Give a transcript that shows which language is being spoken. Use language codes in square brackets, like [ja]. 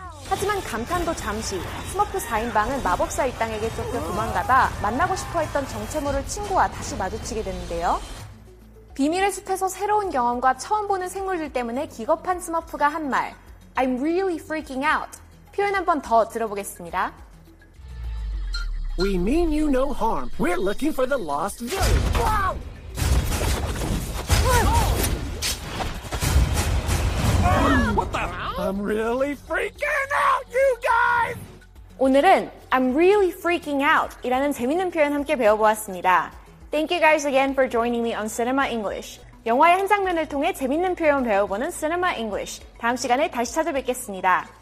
[ko] 하지만 감탄도 잠시, 스머프 4인방은 마법사 일당에게 쫓겨 도망가다 만나고 싶어했던 정체모를 친구와 다시 마주치게 되는데요. 비밀의 숲에서 새로운 경험과 처음 보는 생물들 때문에 기겁한 스머프가 한 말, [en] I'm really freaking out. [ko] 표현 한 번 더 들어보겠습니다. [en] We mean you no harm. We're looking for the lost village. Wow! What the? I'm really freaking out, you guys! [ko] 오늘은 [en] I'm really freaking out [ko] 이라는 재밌는 표현 함께 배워보았습니다. [en] Thank you guys again for joining me on Cinema English. [ko] 영화의 한 장면을 통해 재밌는 표현 배워보는 Cinema English. 다음 시간에 다시 찾아뵙겠습니다.